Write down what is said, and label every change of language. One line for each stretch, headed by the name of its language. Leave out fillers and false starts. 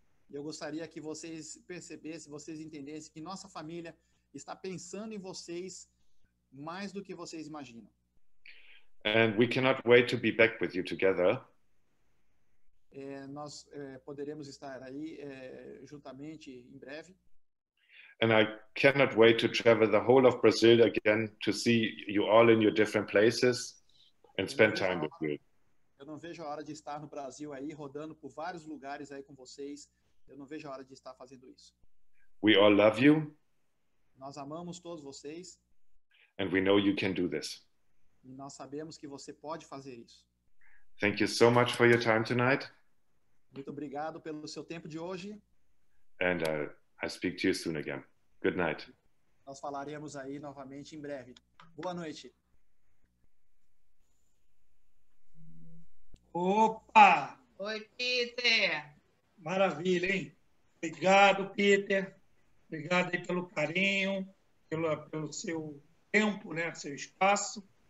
Portuguese: Eu gostaria que vocês percebessem, vocês entendessem que nossa família está pensando em vocês mais do que vocês imaginam.
English: And we cannot wait to be back with you together.
Portuguese: Nós poderemos estar aí juntamente em breve.
English: And I cannot wait to travel the whole of Brazil again to see you all in your different places and spend time with you.
Portuguese: Eu não vejo a hora de estar no Brasil aí rodando por vários lugares aí com vocês. Eu não vejo a hora de estar fazendo isso.
English: We all love you.
Portuguese: Nós amamos todos vocês.
English: And we know you can do this.
Portuguese: E nós sabemos que você pode fazer isso.
English: Thank you so much for your time tonight.
Portuguese: Muito obrigado pelo seu tempo de hoje.
English: And I speak to you soon again. Good night.
Portuguese: Nós falaremos aí novamente em breve. Boa noite. Opa! Oi, Peter. Maravilha, hein? Obrigado, Peter. Obrigado aí pelo carinho, pelo seu tempo, né? Seu espaço.